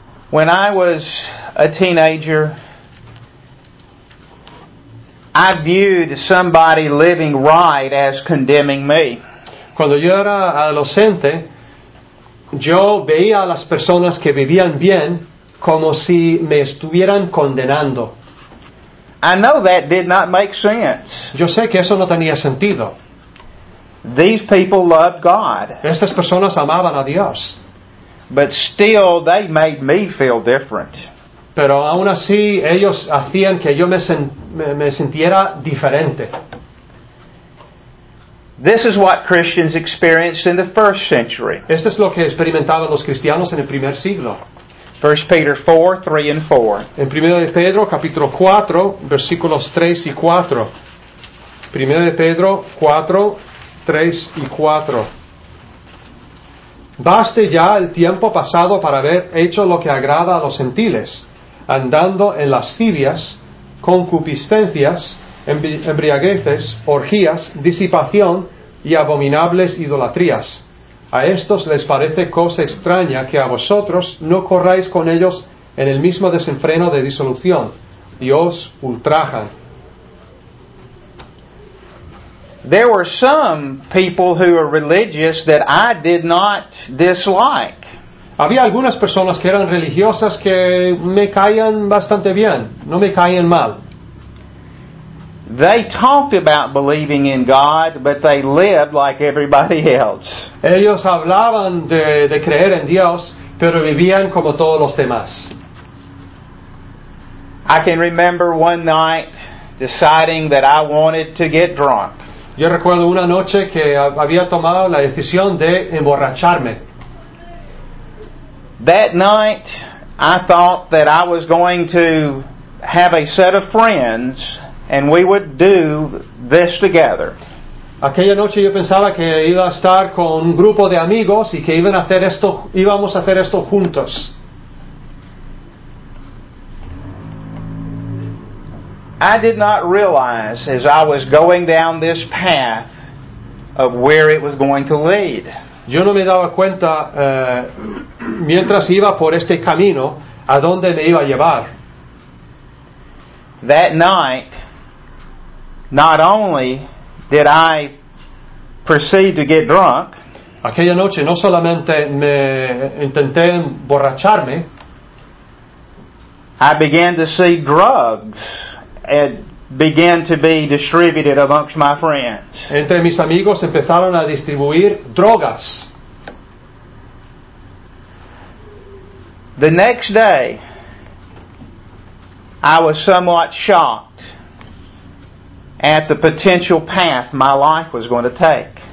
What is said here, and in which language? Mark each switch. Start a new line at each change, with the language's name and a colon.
English: When I was a teenager, I viewed somebody living right as condemning me.
Spanish: Cuando yo era adolescente, yo veía a las personas que vivían bien como si me estuvieran condenando.
English: I know that did not make sense.
Spanish: Yo sé que eso no tenía sentido.
English: These people loved God.
Spanish: Estas personas amaban a Dios.
English: But still, they made me feel different.
Spanish: Pero aún así, ellos hacían que yo me sintiera diferente.
English: This is what Christians experienced in the first century.
Spanish: Esto es lo que experimentaban los cristianos en el primer siglo.
English: 1 Peter 4, 3 and 4.
Spanish: En 1 Pedro, capítulo 4, versículos 3 y 4. 1 Pedro 4, 3 y 4. Baste ya el tiempo pasado para haber hecho lo que agrada a los gentiles, andando en lascivias, concupiscencias, embriagueces, orgías, disipación y abominables idolatrías. A estos les parece cosa extraña que a vosotros no corráis con ellos en el mismo desenfreno de disolución, y os ultrajan.
English: There were some people who were religious that I did not dislike.
Spanish: Había algunas personas que eran religiosas que me caían bastante bien, no me caían mal.
English: They talked about believing in God, but they lived like everybody else.
Spanish: Ellos hablaban de creer en Dios, pero vivían como todos los demás.
English: I can remember one night deciding that I wanted to get drunk.
Spanish: Yo recuerdo una noche que había tomado la decisión de emborracharme.
English: That night, I thought that I was going to have a set of friends and we would do this together.
Spanish: Aquella noche yo pensaba que iba a estar con un grupo de amigos y que íbamos a hacer esto juntos.
English: I did not realize as I was going down this path of where it was going to lead.
Spanish: Yo no me daba cuenta mientras iba por este camino a dónde me iba a llevar.
English: That night, not only did I proceed to get drunk,
Spanish: aquella noche no solamente me intenté emborracharme,
English: I began to see drugs and began to be distributed amongst my friends.
Spanish: Entre mis amigos empezaron a distribuir drogas.
English: The next day, I was somewhat shocked at the potential path my life was going to take.